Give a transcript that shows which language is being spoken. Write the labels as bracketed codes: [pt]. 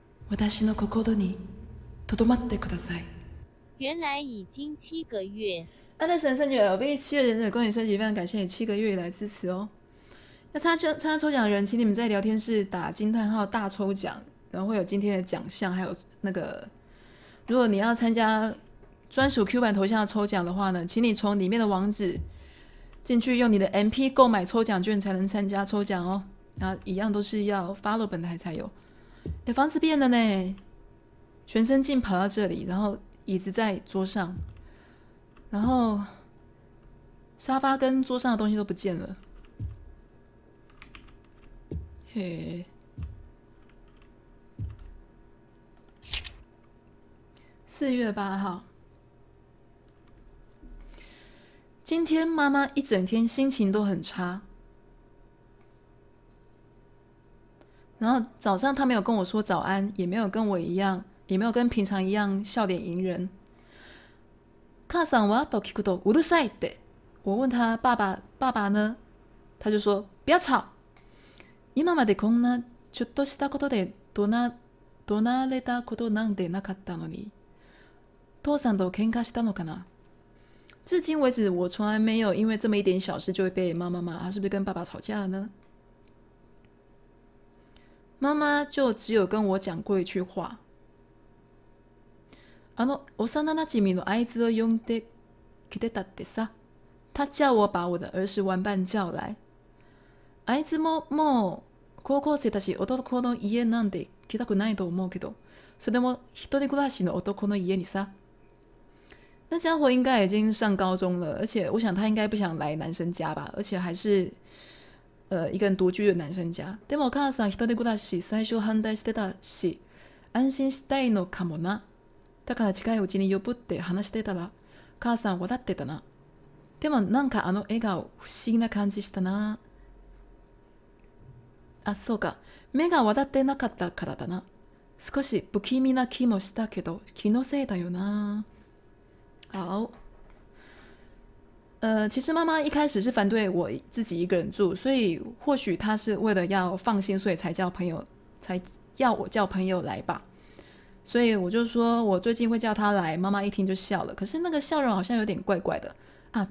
[ja] 私の心にとどまってください。 [zh] 原来已经7个月。安德森圣女，我被七个忍者恭喜升级，非常感谢你7个月以来支持哦。要参加抽奖的人，请你们在聊天室打惊叹号大抽奖，然后会有今天的奖项，还有那个，如果你要参加专属 Q 版头像的抽奖的话呢，请你从里面的网址进去，用你的 MP 购买抽奖券才能参加抽奖哦。然后一样都是要 follow 本台才有。房子变了呢，全身镜跑到这里，然后椅子在桌上，然后沙发跟桌上的东西都不见了。 4月8号，今天妈妈一整天心情都很差，然后早上她没有跟我说早安，也没有跟我一样，也没有跟平常一样笑脸迎人。 [ja] 母さんはと聞くとうるさいって。 [zh] 我问他爸爸，爸爸呢？他就说不要吵。 [ja] 今までこんなちょっとしたことで怒鳴れたことなんてなかったのに。父さんと喧嘩したのかな？ [zh] 至今为止，我从来没有因为这么一点小事就会被妈妈骂，是不是跟爸爸吵架了呢？妈妈就只有跟我讲过一句话。 [ja] あの幼馴染のあいつを呼んで来てたってさ。 [zh] 他叫我把我的儿时玩伴叫来。 [ja] あいつももう高校生だし男の家なんで来たくないと思うけど、それも一人暮らしの男の家にさ。 [zh] 那家伙应该已经上高中了，而且我想他应该不想来男生家吧，而且还是一个人独居的男生家。 [ja] でも母さん一人暮らし最初反対してたし、安心したいのかもな。だから近いうちに呼ぶって話してたら、母さん笑ってたな。でもなんかあの笑顔不思議な感じしたな。あ、そうか。目が笑ってなかったからだな。少し不気味な気もしたけど、気のせいだよな。 [zh] 好。其实妈妈一开始是反对我自己一个人住，所以或许她是为了要放心，所以才叫朋友，才要我叫朋友来吧。所以我就说我最近会叫她来，妈妈一听就笑了，可是那个笑容好像有点怪怪的啊。